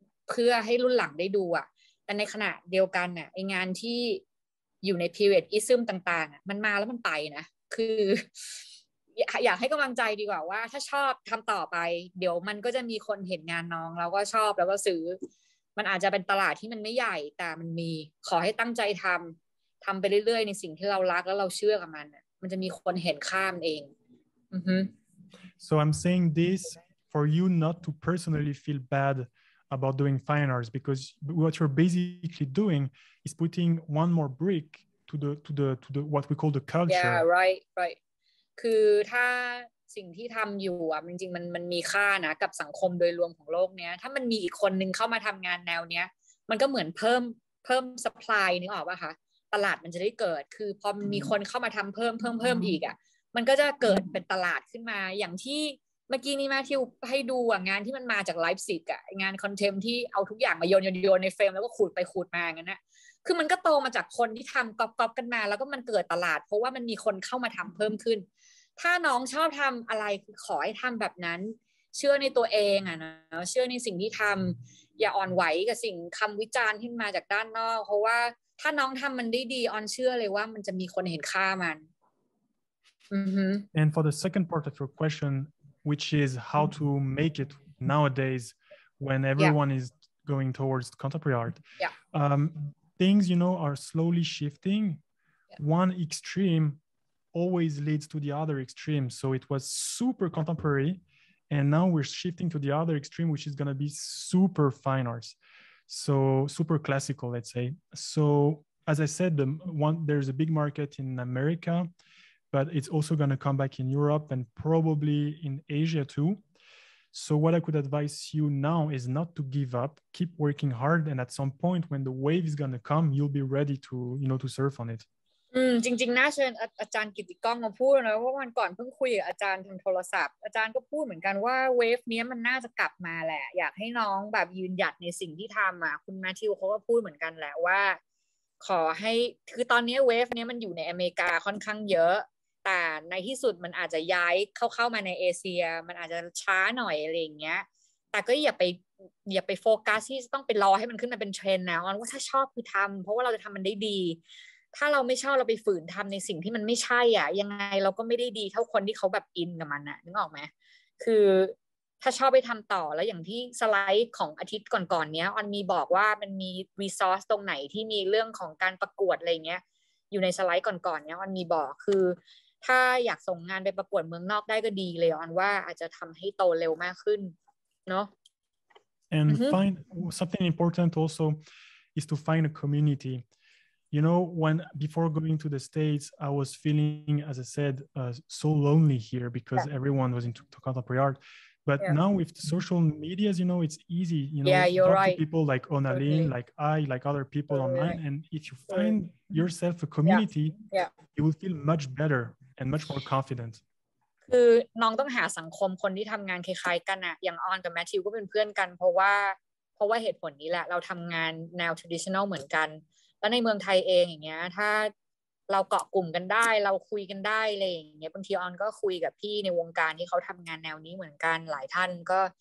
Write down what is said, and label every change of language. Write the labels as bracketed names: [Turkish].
[Thai] เพื่อให้รุ่นหลังได้ดูอ่ะแต่ในขณะเดียวกันน่ะไองานที่อยู่ในพีเรียดอิซึมต่างๆอ่ะมันมาแล้วมันไปนะคืออยากให้กำลังใจดีกว่าว่าถ้าชอบทำต่อไปเดี๋ยวมันก็จะมีคนเห็นงานน้องแล้วก็ชอบแล้วก็ซื้อมันอาจจะเป็นตลาดที่มันไม่ใหญ่แต่มันมีขอให้ตั้งใจทำไปเรื่อยๆในสิ่งที่เรารักแล้วเราเชื่อกับมันมันจะมีคนเห็นข้ามเอง [English] So I'm saying this for you not to personally feel bad about doing fine arts because what you're basically doing is putting one more brick to the what we call the culture Yeah right [Thai] คือถ้าสิ่งที่ทำอยู่อ่ะจริงๆมันมีค่านะกับสังคมโดยรวมของโลกเนี้ยถ้ามันมีอีกคนนึงเข้ามาทำงานแนวเนี้ยมันก็เหมือนเพิ่มซัพพลายนึกออกป่ะคะตลาดมันจะได้เกิดคือพอมีคนเข้ามาทำเพิ่มอีกอ่ะมันก็จะเกิดเป็นตลาดขึ้นมาอย่างที่เมื่อกี้นี้มาที่ให้ดูงานที่มันมาจากไลฟ์สิกอ่ะงานคอนเทมที่เอาทุกอย่างมาโยนในเฟรมแล้วก็ขูดไปขูดมางั้นน่ะคือมันก็โตมาจากคนที่ทำก๊อปกันมาแล้วก็มันเกิดตลาดเพราะว่ามันมีคนเข้ามาทำเพิ่มขึ้น ถ้าน้องชอบทำอะไรขอให้ทำแบบนั้นเชื่อในตัวเองอ่ะนะเชื่อในสิ่งที่ทำอย่าอ่อนไหวกับสิ่งคำวิจารณ์ที่มาจากด้านนอกเพราะว่าถ้าน้องทำมันได้ดีออนเชื่อเลยว่ามันจะมีคนเห็นค่ามัน [English] And for the second part of your question which is how to make it nowadays when everyone is going towards contemporary art. Yeah. Things, you know, are slowly shifting. Yeah. One extreme always leads to the other extreme. So it was super contemporary. And now we're shifting to the other extreme, which is going to be super fine arts. So super classical, let's say. So as I said, there's a big market in America, but it's also going to come back in Europe and probably in Asia too. So what I could advise you now is not to give up, keep working hard. And at some point when the wave is going to come, you'll be ready to, you know, to surf on it. [Thai] จริงๆนะเชิญอาจารย์กิติกล้องมาพูดนะว่าวันก่อนเพิ่งคุยกับอาจารย์ทางโทรศัพท์อาจารย์ก็พูดเหมือนกันว่าเวฟนี้มันน่าจะกลับมาแหละอยากให้น้องแบบยืนหยัดในสิ่งที่ทําอ่ะคุณแมทธิวเค้าก็พูดเหมือนกันแหละว่า ขอให้คือตอนนี้เวฟนี้มันอยู่ในอเมริกาค่อนข้างเยอะแต่ในที่สุดมันอาจจะย้ายเข้ามาในเอเชียมันอาจจะช้าหน่อยอะไรอย่างเงี้ยแต่ก็อย่าไปโฟกัสที่จะต้องไปรอให้มันขึ้นมาเป็นเทรนด์นะว่าถ้าชอบคือทําเพราะว่าเราจะทํามันได้ดีถ้าเราไม่ชอบเราไปฝืนทำในสิ่งที่มันไม่ใช่อ่ะยังไงเราก็ไม่ได้ดีเท่าคนที่เขาแบบอินกับมันอ่ะนึกออกไหมคือ ถ้าชอบไปทำต่อแล้วอย่างที่สไลด์ของอาทิตย์ก่อนๆเนี้ยออนมีบอกว่ามันมีรีซอร์สตรงไหนที่มีเรื่องของการประกวดอะไรเงี้ยอยู่ในสไลด์ก่อนๆเนี้ยออนมีบอกคือถ้าอยากส่งงานไปประกวดเมืองนอกได้ก็ดีเลยออนว่าอาจจะทำให้โตเร็วมากขึ้นเน า ะ [English] and find something important also is to find a communityYou know, before going to the States, I was feeling, as I said, so lonely here because everyone was into contemporary art. But now with the social medias, you know, it's easy. You know, yeah, you're right. People like Onaline, like I, like other people online. And if you find yourself a community, you will feel much better and much more confident. [Thai] คือน้องต้องหาสังคมคนที่ทำงานคล้ายๆกันอะอย่างออนกับแมทธิวก็เป็นเพื่อนกันเพราะว่าเหตุผลนี้แหละเราทำงานแนว traditional เหมือนกันแล้วในเมืองไทยเองอย่างเงี้ยถ้า เราเกาะกลุ่มกันได้เราคุยกันได้อะไรอย่างเงี้ยบางทีออนก็คุยกับพี่ในวงการที่เขาทำงานแนวนี้เหมือนกันหลายท่านก็